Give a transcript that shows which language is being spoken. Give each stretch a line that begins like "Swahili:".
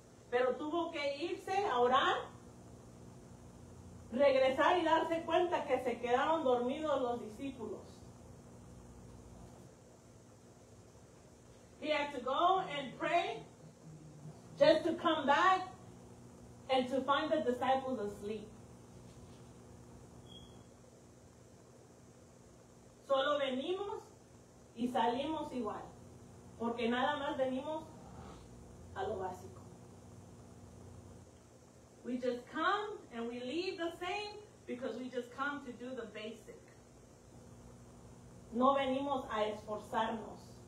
Spanish: Pero tuvo que irse a orar, regresar y darse cuenta que se quedaron dormidos los discípulos.
English: He had to go and pray just to come back and to find the disciples asleep.
Spanish: Solo venimos y salimos igual, porque nada más venimos a lo básico.
English: We just come and we leave the same because we just come to do the basic.
Spanish: No venimos a esforzarnos.